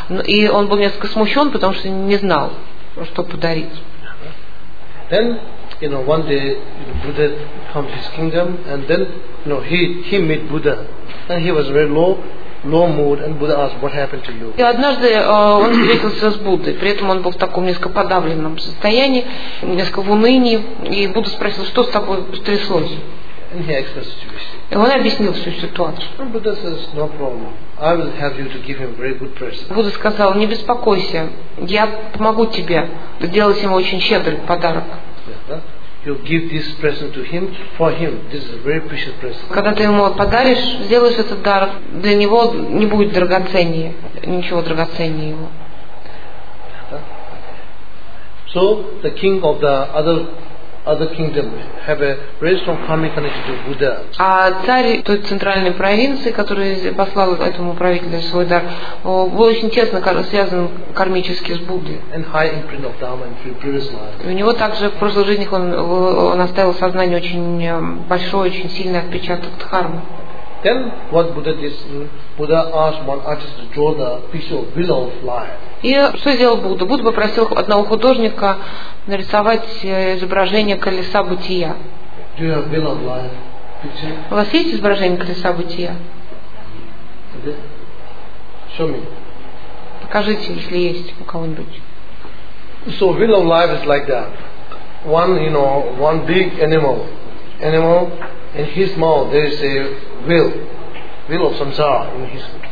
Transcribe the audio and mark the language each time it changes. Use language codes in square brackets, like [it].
[ru] И он был несколько смущен, потому что не знал, что подарить. [en] Then, one day Buddha comes to his kingdom, and then, he met Buddha, and he was very low mood, and Buddha asked, "What happened to you?" [ru] И однажды он встретился с Буддой, при этом он был в таком несколько подавленном состоянии, несколько в унынии, и Будда спросил, что с тобой стряслось. [en] And he explained the situation. [ru] И он объяснил всю ситуацию. [en] And Buddha says, "No problem. I will help you to give him very good present." [ru] Будда сказал, "Не беспокойся, я помогу тебе сделать ему очень щедрый подарок." [en] You give this present to him for him. This is a very precious present. [ru] Когда ты ему подаришь, сделаешь этот дар, для него не будет драгоценнее, ничего драгоценнее его. [en] So the king of the other kingdom have a very strong karmic connection to Buddha. [ru] А царь той центральной провинции, который послал этому правителю свой дар, был очень тесно связан кармически с Буддой. [en] And high imprint of Dharma in previous life. [ru] У него также в прошлых жизнях он оставил в сознании очень большой, очень сильный отпечаток дхармы. [en] Then what Buddha did? Buddha asked one artist to draw the picture of wheel of life. [ru] И что сделал Будда? Будда попросил одного художника нарисовать изображение колеса бытия. [en] Do you have wheel of life picture? [ru] У вас есть изображение колеса бытия? [en] Show me. [ru] Покажите, если есть у кого-нибудь. [en] So wheel of life is like that. One, one big animal. In his mouth there is a wheel of samsara in his mouth.